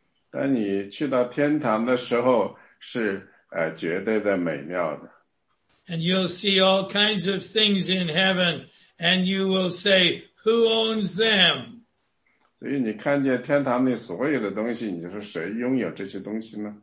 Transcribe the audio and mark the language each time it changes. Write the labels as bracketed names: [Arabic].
[Chinese] 当你去到天堂的时候，是绝对的美妙的。 [English] And you'll see all kinds of things in heaven, and you will say, who owns them? [Chinese] 所以你看见天堂里所有的东西，你说谁拥有这些东西呢？